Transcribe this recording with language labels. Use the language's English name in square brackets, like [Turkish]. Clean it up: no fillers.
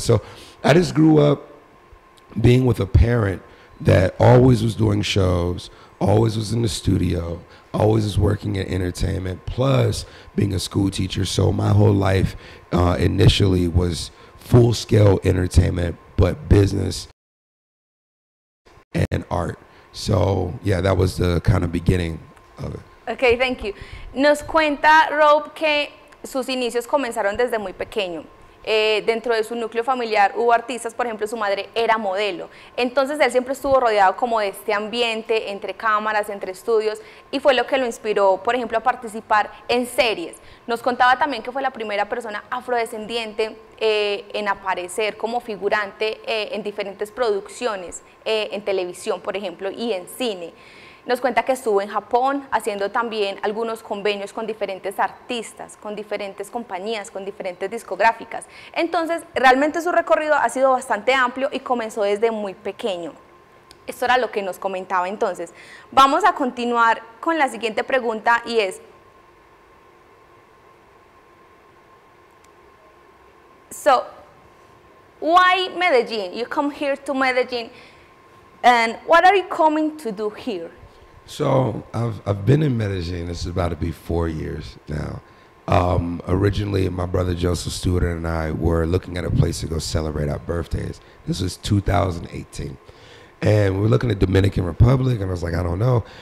[English] So I just grew up being with a parent that always was doing shows, always was in the studio, always was working in entertainment, plus being a school teacher. So my whole life initially was full-scale entertainment, but business and art. So, yeah, that was the kind of beginning of it. Okay, thank you. [Spanish] Nos cuenta, Rob, que sus inicios comenzaron desde muy pequeño. Dentro de su núcleo familiar hubo artistas, por ejemplo, su madre era modelo. Entonces, él siempre estuvo rodeado como de este ambiente, entre cámaras, entre estudios, y fue lo que lo inspiró, por ejemplo, a participar en series. Nos contaba también que fue la primera persona afrodescendiente en aparecer como figurante en diferentes producciones, en televisión, por ejemplo, y en cine. Nos cuenta que estuvo en Japón haciendo también algunos convenios con diferentes artistas, con diferentes compañías, con diferentes discográficas. Entonces, realmente su recorrido ha sido bastante amplio y comenzó desde muy pequeño. Esto era lo que nos comentaba entonces. Vamos a continuar con la siguiente pregunta, y es, so, why Medellín? [English] You come here to Medellín, and what are you coming to do here? So I've been in Medellín, this is about to be 4 years now, Originally, my brother Joseph Stewart and I were looking at a place to go celebrate our birthdays. This was 2018. And we were looking at Dominican Republic, and I was like, I don't know.